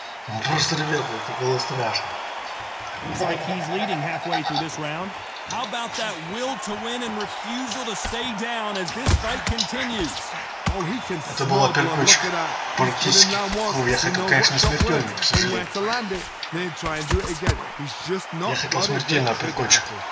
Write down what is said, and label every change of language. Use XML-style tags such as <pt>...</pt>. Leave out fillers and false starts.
<ru>Он просто, ребята, это было страшно.</ru> <en>How about that will to win and refusal to stay down as this fight continues? Oh, he can.</en> <ru>Это была перкочка. Практически. Я хотел, конечно, смертельную, к сожалению. Я хотел смертельную перкочку.</ru>